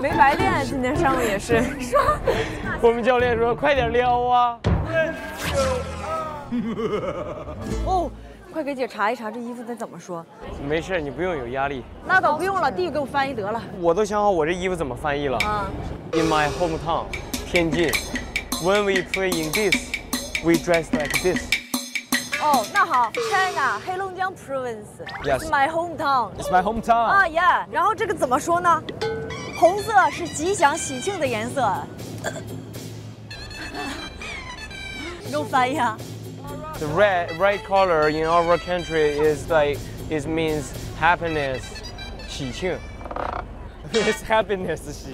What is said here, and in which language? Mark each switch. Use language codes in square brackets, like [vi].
[zh] 没白练，今天上午也是。刷。我们教练说：“快点撩啊！” 哦。快给姐查一查这衣服得怎么说。没事，你不用有压力。那倒不用了，弟给我翻译得了。我都想好我这衣服怎么翻译了。 [en] In my hometown, 天津 ，When we play in this, we dress like this. [zh] 哦，那好 ，China, 黑龙江 province. [en] Yes. My hometown. It's my hometown. 啊、 [zh] yeah. 然后这个怎么说呢？红色是吉祥喜庆的颜色。给我翻译啊。 [en] The red color in our country is like, it means happiness, 喜庆 It's happiness, 喜庆